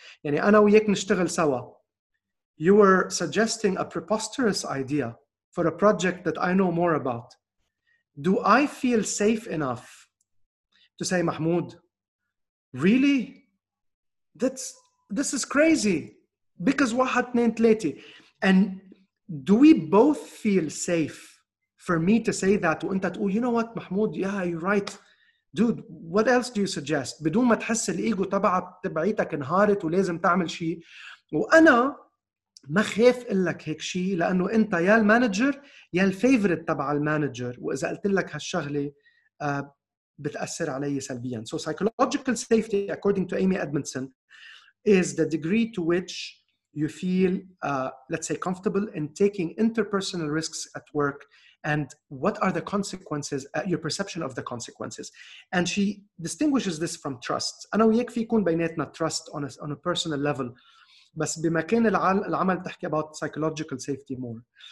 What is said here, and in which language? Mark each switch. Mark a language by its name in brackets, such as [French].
[Arabic] يعني أنا وياك نشتغل سوا. [English] You were suggesting a preposterous idea for a project that I know more about. Do I feel safe enough to say, Mahmoud, really? This is crazy. [Arabic] Because واحد اثنين ثلاثة. [English] And do we both feel safe for me to say that [Arabic] وانت تقول [English] you know what [Arabic] محمود [English] yeah you're right dude what else do you suggest [Arabic] بدون ما تحس الإيجو تبعيتك انهارت ولازم تعمل شيء وأنا ما خاف إلك هيك شيء لأنه أنت يا المانجر يا الفيفوريت تبع المانجر وإذا قلت لك هالشغلة بتأثر علي سلبيا. [English] So psychological safety according to Amy Edmondson is the degree to which you feel let's say comfortable in taking interpersonal risks at work and what are the consequences your perception of the consequences. And she distinguishes this from trust. [Arabic] أنا وياك في يكون بيناتنا [English] trust on a personal level [Arabic] بس بمكان العمل تحكي [English] about psychological safety more.